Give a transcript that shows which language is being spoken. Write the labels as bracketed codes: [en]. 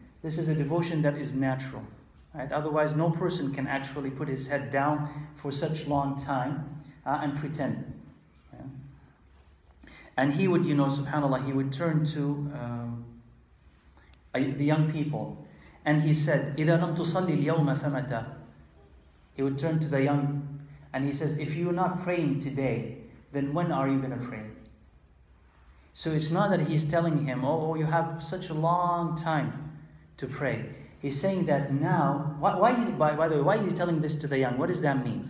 [en] This is a devotion that is natural. Right? Otherwise, no person can actually put his head down for such long time and pretend. Yeah? And he would, you know, subhanAllah, he would turn to the young people. And he said, [ar] إِذَا لَمْ تُصَلِّ الْيَوْمَ فَمَتَى. [en] He would turn to the young. And he says, if you're not praying today, then when are you going to pray? So it's not that he's telling him, oh, you have such a long time to pray. He's saying that now, why, by the way, why he's telling this to the young? What does that mean?